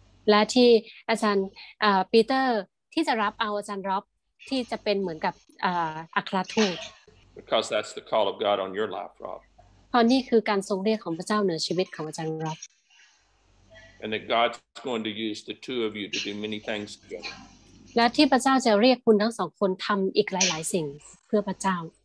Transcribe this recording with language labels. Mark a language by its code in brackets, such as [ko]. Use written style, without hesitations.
[th] และที่อาจารย์ปีเตอร์ที่จะรับเอาอาจารย์ร็อบที่จะเป็นเหมือนกับอัครทูต [en] Because that's the call of God on your life, Rob [th] เพราะนี่คือการทรงเรียกของพระเจ้าเหนือชีวิตของอาจารย์ร็อบ [en] And that God's going to use the two of you to do many things together. [th] และที่พระเจ้าจะเรียกคุณทั้งสองคนทำอีกหลายๆสิ่งเพื่อพระเจ้า